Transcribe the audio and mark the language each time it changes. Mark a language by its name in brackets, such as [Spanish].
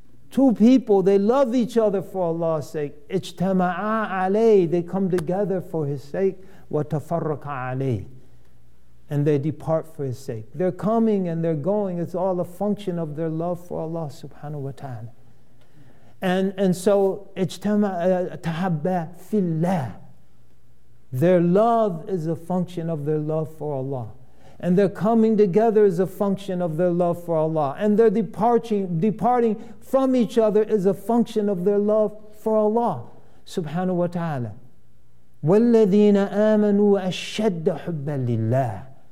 [English] Two people, they love each other for Allah's sake. [Arabic] اجْتَمَعَا عَلَيْهِ. [English] They come together for His sake. [Arabic] وَتَفَرَّقَ عَلَيْهِ. [English] And they depart for His sake. They're coming and they're going. It's all a function of their love for Allah subhanahu wa ta'ala. And so, [Arabic] تَحَبَّ فِي اللَّهِ. [English] Their love is a function of their love for Allah. And their coming together is a function of their love for Allah. And their departing from each other is a function of their love for Allah subhanahu wa ta'ala. [Arabic] وَالَّذِينَ آمَنُوا أَشَّدَّ حُبَّ لِلَّهِ.